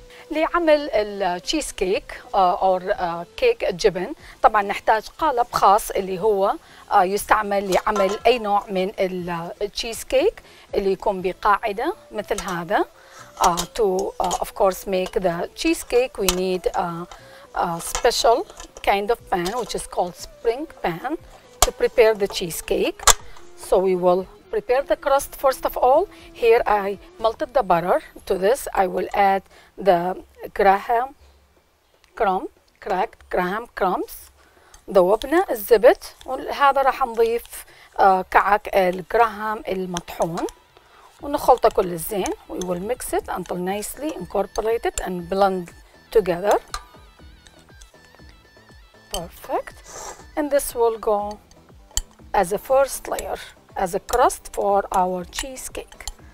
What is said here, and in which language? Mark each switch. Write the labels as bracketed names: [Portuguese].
[Arabic] لعمل التشيز كيك او كيك الجبن طبعا نحتاج قالب خاص اللي هو يستعمل لعمل اي نوع من التشيز كيك اللي يكون بقاعده مثل هذا [English] to of course make the cheesecake we need a special kind of pan which is called spring pan to prepare the cheesecake so we will prepare the crust first of all. Here I melted the butter. To this I will add the graham crumb, cracked graham crumbs. [Arabic] ذوبنا الزبد وهذا راح نضيف كعك الجراهام المطحون ونخلطه كل الزين. [English] We will mix it until nicely incorporated and blend together. Perfect. And this will go as a first layer. As a crust for our cheesecake.